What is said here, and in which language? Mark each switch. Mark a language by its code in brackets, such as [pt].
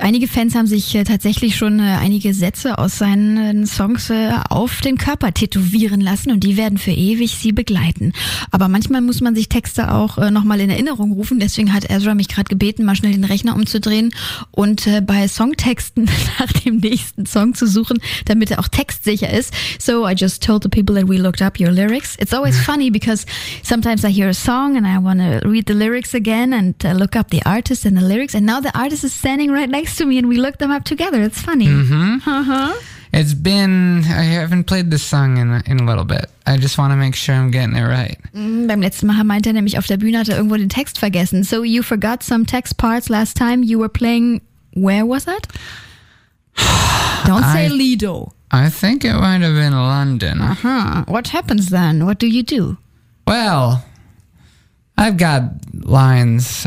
[de] Einige Fans haben sich tatsächlich schon einige Sätze aus seinen Songs auf den Körper tätowieren lassen und die werden für ewig sie begleiten. Aber manchmal muss man sich Texte auch nochmal in Erinnerung rufen. Deswegen hat Ezra mich gerade gebeten, mal schnell den Rechner umzudrehen und bei Songtexten nach dem nächsten Song zu suchen, damit er auch textsicher ist. [en] So I just told the people that we looked up your lyrics. It's always funny because sometimes I hear a song and I want to read the lyrics again and look up the artist and the lyrics. And now the artist is standing right next to me and we looked them up together. It's funny. It's been, I haven't played this song in a little bit. I just want to make sure I'm getting it right. [de] Beim letzten Mal meinte er nämlich, auf der Bühne hat er irgendwo den Text vergessen. [en] So you forgot some text parts last time you were playing. Where was that? Don't say Lido. I think it might have been London. What happens then? What do you do? Well, I've got lines.